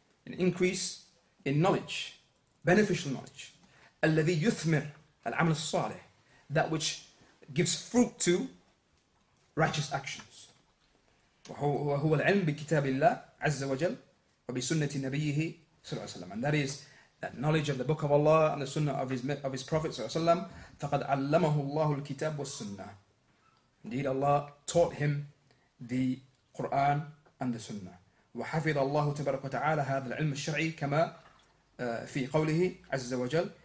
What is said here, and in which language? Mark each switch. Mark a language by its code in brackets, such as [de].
[en] An increase in knowledge, beneficial knowledge. [ar] الذي يثمر العمل الصالح. [en] That which gives fruit to righteous actions. [ar] وهو العلم بكتاب الله عز وجل وبسنة نبيه صلى الله عليه وسلم. [en] And that is that knowledge of the Book of Allah and the Sunnah of his Prophet [ar] صلى الله عليه وسلم. فقد علمه الله الكتاب والسنة. [en] Indeed, Allah taught him the Quran and the Sunnah. [ar] وحفظ الله تبارك وتعالى هذا العلم الشرعي كما في قوله عز وجل.